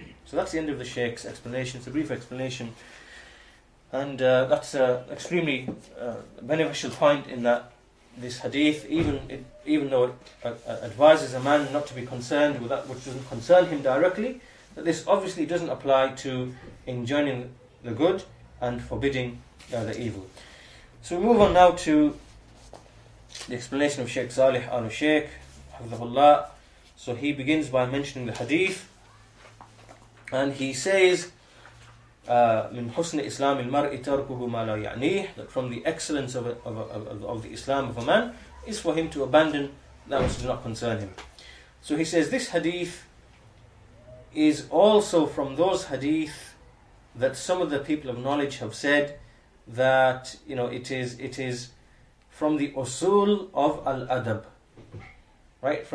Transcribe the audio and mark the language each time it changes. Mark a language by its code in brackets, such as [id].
[en] So that's the end of the Shaykh's explanation. It's a brief explanation. And that's an extremely beneficial point, in that this hadith, even though it advises a man not to be concerned with that which doesn't concern him directly, that this obviously doesn't apply to enjoining the good and forbidding the evil. So we move on now to the explanation of Shaykh Salih al-Sheikh, Hafizahullah. So he begins by mentioning the hadith. And he says, [ar] "من حسن إسلام المرء تركه ما لا يعنيه." [en] That from the excellence of the Islam of a man is for him to abandon that which does not concern him. So he says, this hadith is also from those hadith that some of the people of knowledge have said that it is from the usul of al-adab, right?